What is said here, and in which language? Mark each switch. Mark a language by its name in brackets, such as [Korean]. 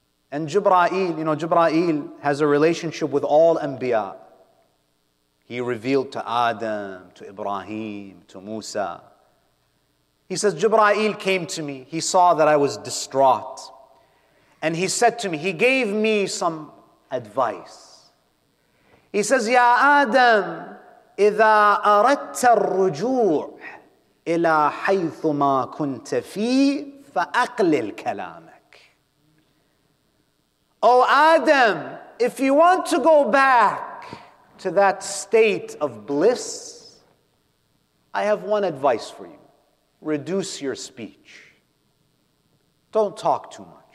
[English] And Jibra'il, you know, Jibra'il has a relationship with all anbiya. He revealed to Adam, to Ibrahim, to Musa. He says, Jibra'il came to me. He saw that I was distraught. And he said to me, he gave me some advice. He says, [Arabic] Ya Adam, إِذَا أَرَدْتَ الرُّجُوعِ إِلَىٰ حَيْثُ مَا كُنْتَ فِيهِ فَأَقْلِلْ كَلَامَكَ. [English] Oh Adam, if you want to go back to that state of bliss, I have one advice for you. Reduce your speech. Don't talk too much.